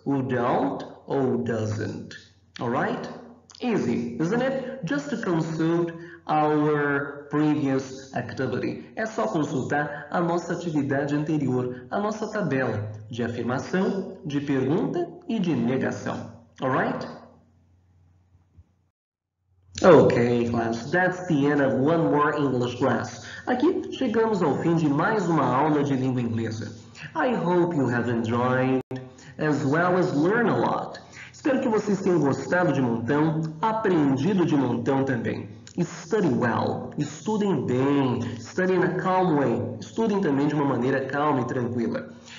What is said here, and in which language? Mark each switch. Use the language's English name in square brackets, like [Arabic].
[Portuguese] O don't ou doesn't. Alright? [English] Easy, isn't it? Just to consult our previous activity. [Portuguese] É só consultar a nossa atividade anterior, a nossa tabela de afirmação, de pergunta e de negação. [English] Alright? Okay, class, that's the end of one more English class. [Portuguese] Aqui chegamos ao fim de mais uma aula de língua inglesa. [English] I hope you have enjoyed as well as learned a lot. [Portuguese] Espero que vocês tenham gostado de montão, aprendido de montão também. [English] Study well, [Portuguese] estudem bem, [English] study in a calm way, [Portuguese] estudem também de uma maneira calma e tranquila.